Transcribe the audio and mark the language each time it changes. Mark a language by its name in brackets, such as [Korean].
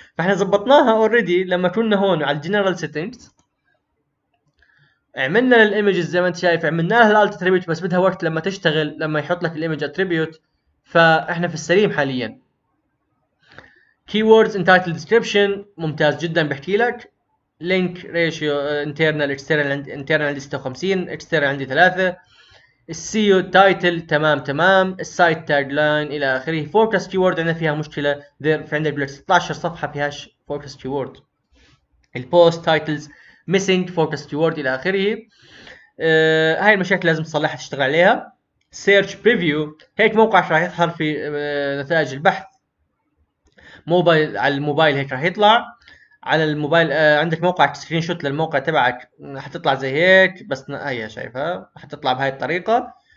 [Arabic] فاحنا ظبطناها اوريدي لما كنا هون على الجنرال سيتنجز، عملنا للايمج زي ما انت شايف، عملنا لها الالت اتريبيوت، بس بدها وقت لما تشتغل، لما يحط لك الايمج اتريبيوت. فاحنا في السليم حاليا. [English] Keywords and title description [Arabic] ممتاز جدا بحكي لك. [English] Link ratio internal external، internal عندي 56، external عندي 3. SEO title تمام. [Arabic] Site tagline الى اخره. Focus keyword عندنا فيها مشكلة، في عندك 16 صفحة فيهاش focus keyword. [English] Post titles missing focus keyword الى اخره. [Arabic] هاي المشاكل لازم تصلحها تشتغل عليها. سيرش بريفيو، هيك موقعك راح يظهر في نتائج البحث موبايل، على الموبايل هيك راح يطلع على الموبايل. عندك موقعك سكرين شوت للموقع تبعك حتطلع زي هيك، بس هي شايفها حتطلع بهاي الطريقه.